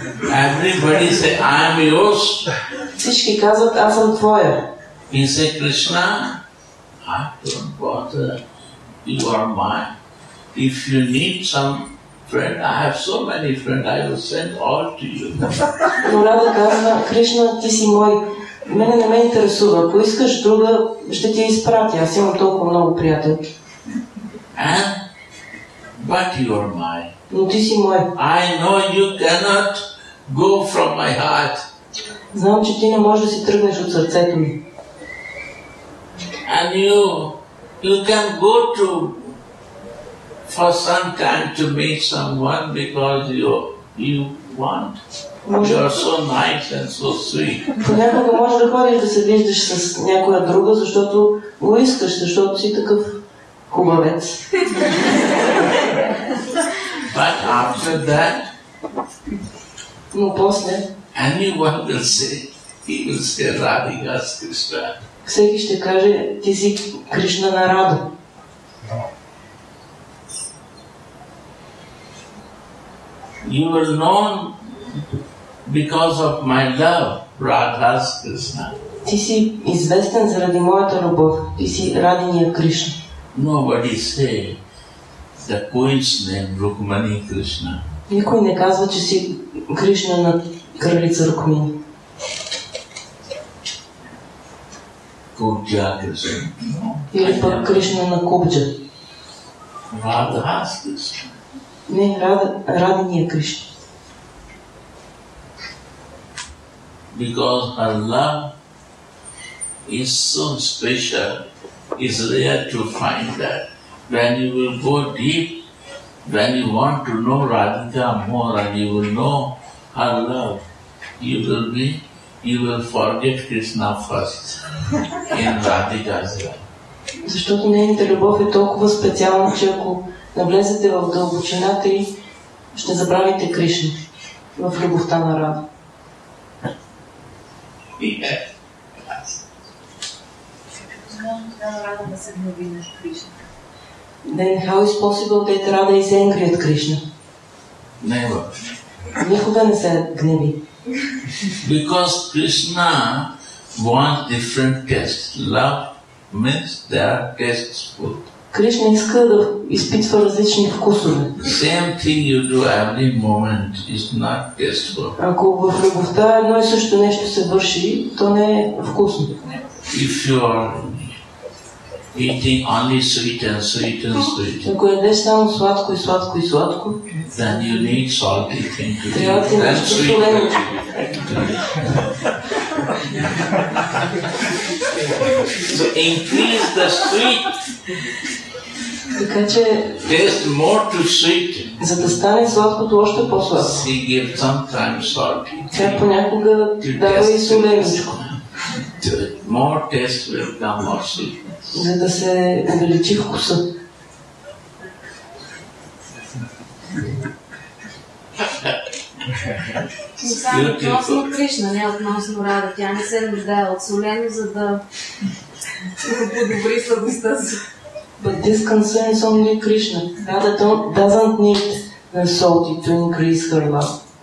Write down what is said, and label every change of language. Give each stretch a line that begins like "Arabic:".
English: Everybody say, I am yours.
Bulgarian: Всички казват, аз съм твоя.
English: He say, Krishna, I don't bother. You are mine. If you need some friend, I have so many friends, I will send all to you.
Bulgarian: Но Рада казва, Кришна, ти си мой. Мене не ме интересува. Ако искаш друга, ще ти я изпратя. Аз имам толкова много приятелки.
English: But you are mine.
Bulgarian: Но ти си мой.
English: I know you cannot go from my heart.
Bulgarian: Знам, че ти не можеш да си тръгнеш от сърцето ми.
English: And you can go to for some time to meet someone because you want. You are so nice and so sweet.
Bulgarian: Понякога можеш да ходиш да се виждаш с някоя друга, защото го искаш, защото си такъв хубавец.
English: But after that,
Bulgarian: но после,
English: anyone will say, he will say, Radhika is Krishna.
Bulgarian: Всеки ще каже, ти си Кришна на Радо.
English: You are known because of my love, Radha is Krishna.
Bulgarian: Ти си известен заради моята любов, ти си Радиния Кришна.
English: Nobody say the queen's name Rukmani Krishna.
Bulgarian: Никой не казва, че си Кришна на кралица Рукмини. Кубджа Кришна. Или пък Кришна на Кубджа. Радха Кришна. Не, Радния Кришна.
English: Because her love is so special. It's rare to find that. When you will go deep, when you want to know Radhika more and you will know her love, you will forget Krishna first in Radhika's love.
Bulgarian: Защото нейната любов е толкова специална, че ако навлезете в дълбочината и ще забравите Кришна в любовта на Радха.
English: Then how is possible that Radha is angry at Krishna? Never.
Bulgarian: Никога не се гневи.
English: Because Krishna wants different tastes. Love means there are tastes food.
Bulgarian: Кришна иска да изпитва различни вкусове.
English: Same thing you do every moment is not tasteful.
Bulgarian: Ако в любовта едно и също нещо се върши, то не е вкусно.
English: If you are eating only sweet and sweet and sweet.
Bulgarian: Ако едеш само сладко и сладко и сладко,
English: then you need salty thing to eat. That's sweet. So increase the sweet.
Bulgarian: Така че
English: taste more to sweet.
Bulgarian: За да стане сладкото още по-сладко.
English: She gives sometimes salty.
Bulgarian: Тя понякога дава и соленичко.
English: More taste will come more sweet.
Bulgarian: За да се увеличи вкуса. Това е относно Кришна, не относно Рада. Тя не се нуждае от солено, за да подобри сладостта си.
English: But this concerns only Krishna. Rada doesn't need salty to increase her love.